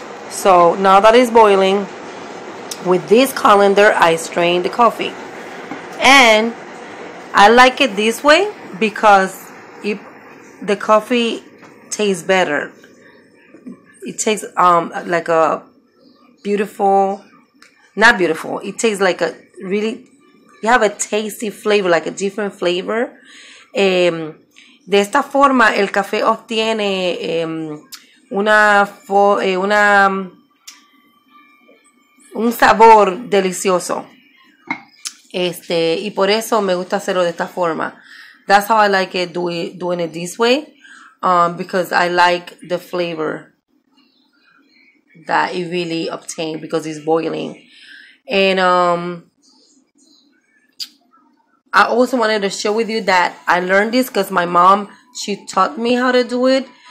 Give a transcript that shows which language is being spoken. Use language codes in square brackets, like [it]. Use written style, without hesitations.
[en] So now that it's boiling, with this colander I strain the coffee, and I like it this way because the coffee tastes better. It tastes like a beautiful, not beautiful, it tastes like a really, you have a tasty flavor, like a different flavor. [es] De esta forma el café obtiene un sabor delicioso. Y por eso me gusta hacerlo de esta forma. [en] That's how I like it, doing it this way. Because I like the flavor that it really obtained because it's boiling. And I also wanted to share with you that I learned this because my mom, she taught me how to do it.